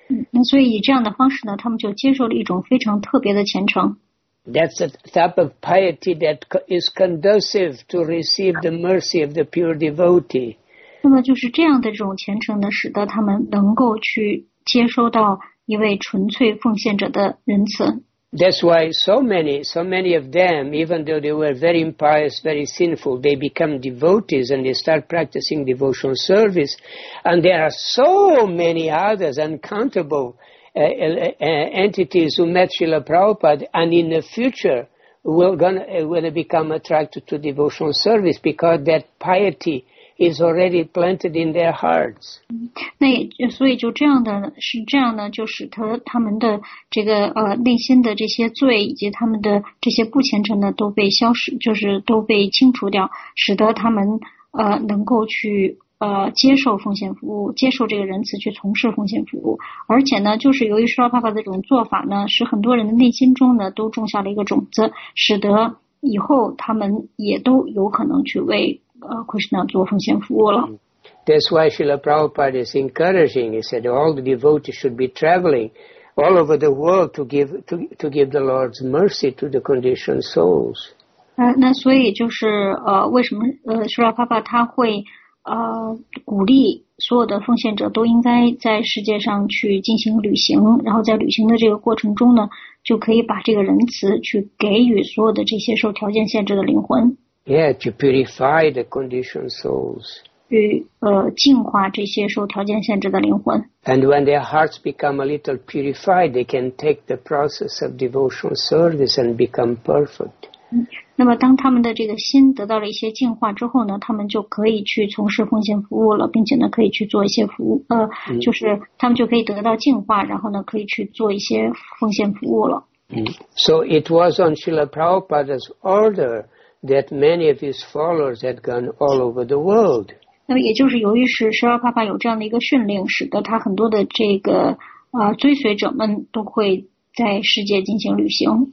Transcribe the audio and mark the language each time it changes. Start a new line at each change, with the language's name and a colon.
Chinese: 那所以以这样的方式呢，他们就接受了一种非常特别的虔诚。
English: That's a type of piety that is conducive to receive the mercy of the pure devotee.
Chinese: 那么就是这样的这种虔诚呢，使得他们能够去接收到一位纯粹奉献者的仁慈。
English: That's why so many of them, even though they were very impious, very sinful, they become devotees and they start practicing devotional service. And there are so many others, uncountable entities who met Srila Prabhupada and in the future will become attracted to devotional service because that piety is already planted in their hearts.
Chinese: 那也所以就这样的是这样呢，就使他们的这个内心的这些罪以及他们的这些不虔诚呢都被消失，就是都被清除掉，使得他们能够去接受奉献服务，接受这个仁慈去从事奉献服务。而且呢，就是由于Srila Prabhupada的这种做法呢，使很多人的内心中呢都种下了一个种子，使得以后他们也都有可能去为Krishna 做奉献服务了。
English: That's why Srila Prabhupada is encouraging. He said all the devotees should be traveling all over the world to give the Lord's mercy to the conditioned souls.
Chinese: 那所以就是为什么Srila Prabhupada 他会鼓励所有的奉献者都应该在世界上去进行旅行，然后在旅行的这个过程中呢，就可以把这个仁慈去给予所有的这些受条件限制的灵魂。
English: Yeah, to purify the conditioned souls.
Chinese: 净化这些受条件限制的灵魂。
English: And when their hearts become a little purified, they can take the process of devotional service and become perfect.
Chinese: 那么当他们的这个心得到了一些净化之后呢，他们就可以去从事奉献服务了，并且呢可以去做一些服务。就是他们就可以得到净化，然后呢可以去做一些奉献服务了。
English: So it was on Srila Prabhupada's order. That many of his followers had gone all over the world.
Chinese: 那么也就是由于是十二爸爸有这样的一个训令，使得他很多的这个追随者们都会在世界进行旅行。